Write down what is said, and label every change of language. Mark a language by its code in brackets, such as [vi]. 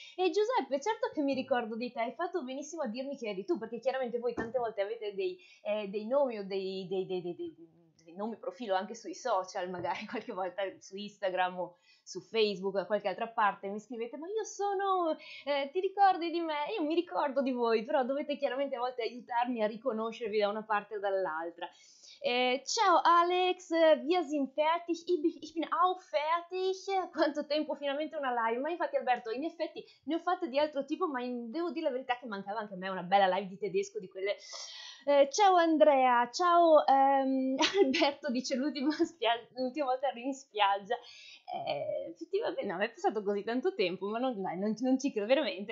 [it] E Giuseppe, certo che mi ricordo di te, hai fatto benissimo a dirmi chi eri tu, perché chiaramente voi tante volte avete dei nomi o dei nomi profilo anche sui social, magari qualche volta su Instagram o su Facebook o da qualche altra parte mi scrivete: ma io sono, ti ricordi di me? Io mi ricordo di voi, però dovete chiaramente a volte aiutarmi a riconoscervi da una parte o dall'altra. [de] Ciao Alex, wir sind fertig, ich bin auch fertig. [it] Quanto tempo, finalmente una live. Ma infatti Alberto, in effetti ne ho fatte di altro tipo, ma devo dire la verità che mancava anche a me una bella live di tedesco di quelle. Ciao Andrea, ciao Alberto, dice l'ultima volta ero in spiaggia. Effettivamente, no, è passato così tanto tempo, ma non, dai, non ci credo veramente.